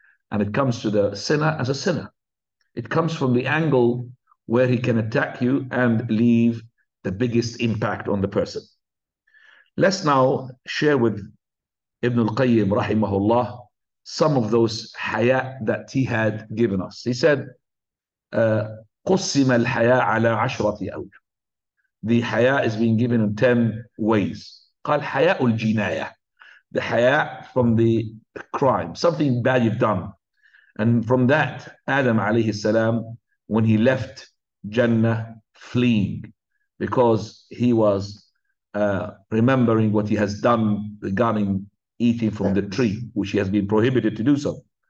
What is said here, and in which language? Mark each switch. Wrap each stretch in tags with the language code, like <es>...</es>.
<en>And it comes to the sinner as a sinner. It comes from the angle where he can attack you and leave the biggest impact on the person. Let's now share with Ibn al-Qayyim, rahimahullah, some of those hayat that he had given us.</en> <ar>He said, قُسِّمَ الْحَيَاءَ عَلَى عَشْرَةِ أَوْجُ.</ar> <en>The haya is being given in 10 ways.</en> <ar>قَالْ حَيَاءُ الْجِنَايَةِ.</ar> <en>The haya from the crime, something bad you've done. And from that, Adam alayhi salam, when he left Jannah fleeing, because he was remembering what he has done regarding eating from the tree, which he has been prohibited to do so.</en>